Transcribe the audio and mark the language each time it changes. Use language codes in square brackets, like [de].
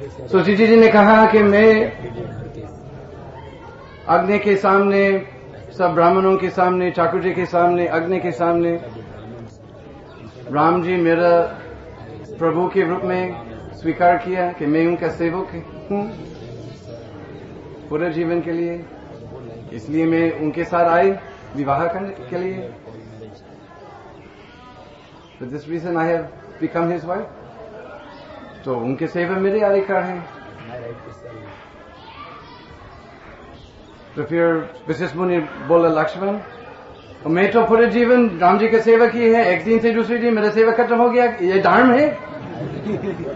[hi] तो सीता जी ने कहा कि मैं अग्नि के सामने, सब ब्राह्मणों के सामने, ठाकुर जी के सामने, अग्नि के सामने, राम जी मेरा प्रभु के रूप में स्वीकार किया कि मैं उनका सेवक हूँ पूरे जीवन के लिए, इसलिए मैं उनके साथ आई विवाह करने के लिए। [en] For this reason I have become his wife. [hi] तो उनके सेवा मेरे अधिकार है। तो फिर वशिष्ठ मुनि बोला लक्ष्मण मैं तो पूरे जीवन राम जी के सेवा की है, एक दिन से दूसरे दिन मेरा सेवा खत्म हो गया, ये धर्म है?